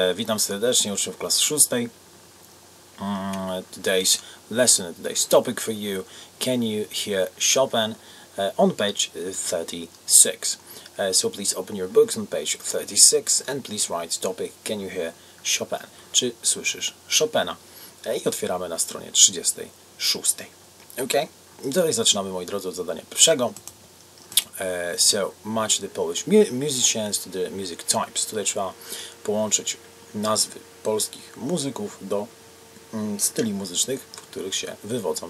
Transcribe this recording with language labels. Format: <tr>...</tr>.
<pl>Witam serdecznie uczniów klasy szóstej.</pl> <en>Today's lesson, today's topic for you. Can you hear Chopin on page 36? So please open your books on page 36 and please write topic. Can you hear Chopin?</en> <pl>Czy słyszysz Chopina? I otwieramy na stronie 36. Okay? Tutaj zaczynamy, moi drodzy, od zadania pierwszego.</pl> <en>So match the Polish musicians to the music types.</en> <pl>Tutaj trzeba połączyć nazwy polskich muzyków do styli muzycznych, w których się wywodzą.</pl>